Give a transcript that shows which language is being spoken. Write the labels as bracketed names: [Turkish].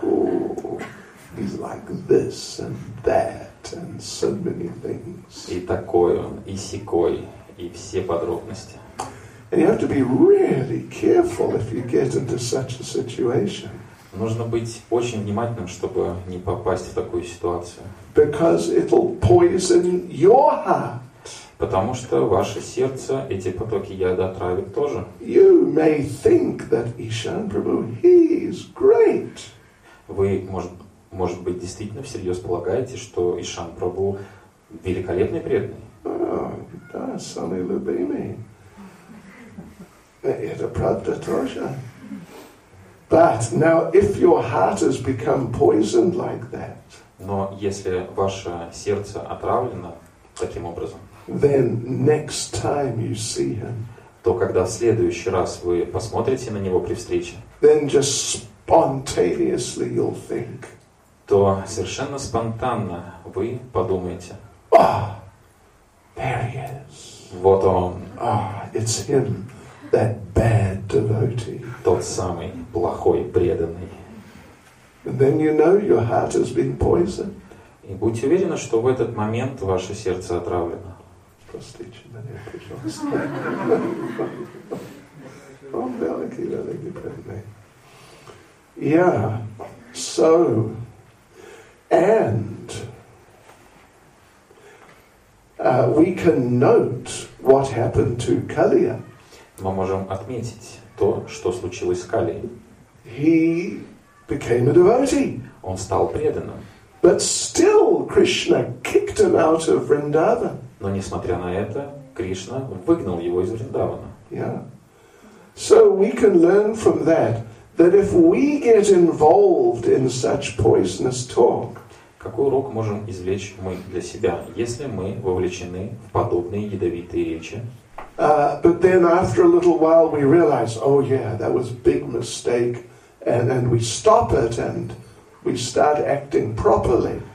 [English] Oh, he's like this and that and so many things. [Russian] И такой он, и сякой, и все подробности. [English] And you have to be really careful if you get into such a situation. [Russian] Нужно быть очень внимательным, чтобы не попасть в такую ситуацию. [English] Because it'll poison your heart. [Russian] Потому что ваше сердце эти потоки яда отравит тоже. [English] You may think that Ishan Prabhu, he is great. [Russian] Вы, может быть, действительно всерьез полагаете, что Ишан Прабху великолепный преданный? Oh, да, самый любимый. Это правда тоже. [English] But now, if your heart has become poisoned like that, [Russian] но если ваше сердце отравлено таким образом, [English] then next time you see him, [Russian] то когда в следующий раз вы посмотрите на него при встрече, [English] then just spontaneously you'll think, [Russian] то совершенно спонтанно вы подумаете, [English] oh, there he is. [Russian] Вот он. [English] Oh, it's him. That bad devotee. [Russian] Тот самый плохой преданный. [English] Then you know your heart has been poisoned. [Russian] И будьте уверены, что в этот момент ваше сердце отравлено. Простите меня, пожалуйста. Он великий, великий преданный. [English] Yeah. So. And. We can note what happened to Kaliya. [Russian] Мы можем отметить то, что случилось с Калией. [English] He became a devotee. [Russian] Он стал преданным. [English] But still Krishna kicked him out of Vrindavan. [Russian] Но несмотря на это, Кришна выгнал его из Вриндавана. [English] Yeah. So we can learn from that, that if we get involved in such poisonous talk, [Russian] какой урок можем извлечь мы для себя, если мы вовлечены в подобные ядовитые речи? [English] But then after a little while we realize, oh yeah, that was a big mistake, and we stop it and we start acting properly.